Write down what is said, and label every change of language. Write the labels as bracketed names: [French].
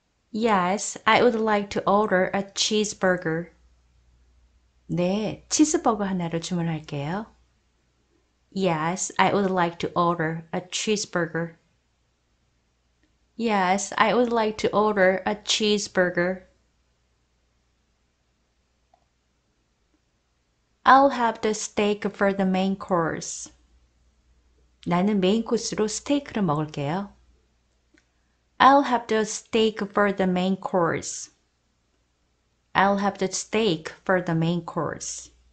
[English] Yes, I would like to order a cheeseburger. [Korean] 네, 치즈버거 하나를 주문할게요. [English] Yes, I would like to order a cheeseburger. Yes, I would like to order a cheeseburger. I'll have the steak for the main course. [Korean] 나는 메인 코스로 스테이크를 먹을게요. [English] I'll have the steak for the main course. I'll have the steak for the main course.